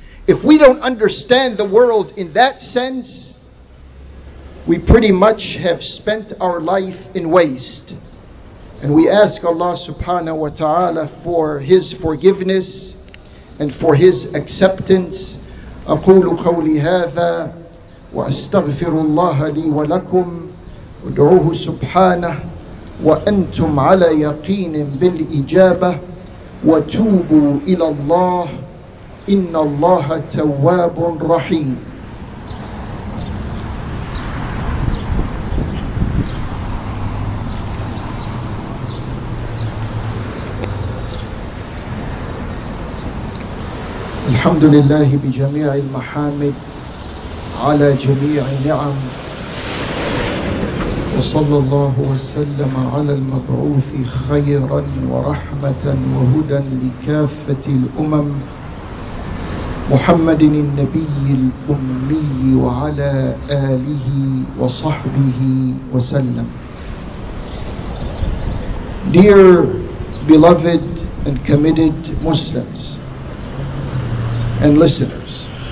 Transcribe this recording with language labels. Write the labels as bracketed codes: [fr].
[en] If we don't understand the world in that sense, we pretty much have spent our life in waste. And we ask Allah subhanahu wa ta'ala for His forgiveness and for His acceptance. [ar] أقول قولي هذا وأستغفر الله لي ولكم ودعوه سبحانه وأنتم على يقين بالإجابة وتوبوا إلى الله إن الله تواب رحيم. الحمد لله بجميع المحامد على جميع نعم وصلى الله وسلم على المبعوث خيرا ورحمة وهدى لكافة الأمم محمد النبي الأمي وعلى آله وصحبه وسلم. [en] Dear beloved and committed Muslims and listeners,